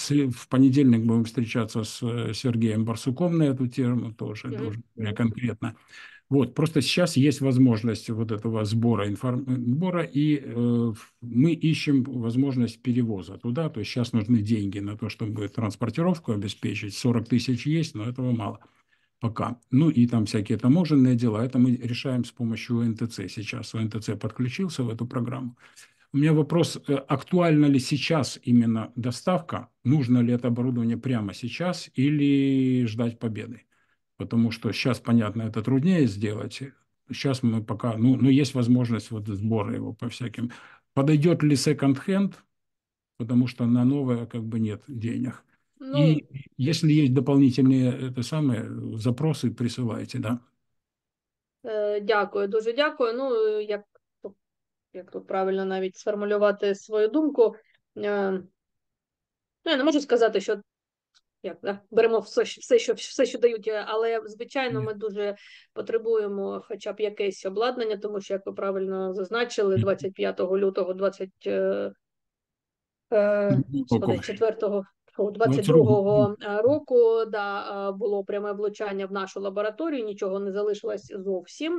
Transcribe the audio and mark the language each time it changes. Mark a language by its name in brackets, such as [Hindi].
[Russian] В понедельник [Ukrainian] будемо зустрічатися з Сергієм Барсуком на цю тему, теж дуже конкретно. [Russian] Вот, просто сейчас есть возможность вот этого сбора, и мы ищем возможность перевоза туда. То есть сейчас нужны деньги на то, чтобы транспортировку обеспечить. 40 тысяч есть, но этого мало пока. Ну и там всякие таможенные дела. Это мы решаем с помощью ОНТЦ сейчас. ОНТЦ подключился в эту программу. У меня вопрос, актуальна ли сейчас именно доставка? Нужно ли это оборудование прямо сейчас или ждать победы? Потому что сейчас, понятно, это труднее сделать. Сейчас мы пока... Но есть возможность вот сбора его по всяким. Подойдет ли секонд-хенд? Потому что на новое как бы нет денег. И если есть дополнительные это самое, запросы, присылайте, да. [Ukrainian] Дякую, дуже дякую. Ну, як тут правильно навіть сформулювати свою думку. Ну, я не можу сказати, що... Як, да? Беремо все, що дають, але, звичайно, ми дуже потребуємо хоча б якесь обладнання, тому що, як ви правильно зазначили, 25 лютого, 22-го року, да, було пряме влучання в нашу лабораторію, нічого не залишилось зовсім.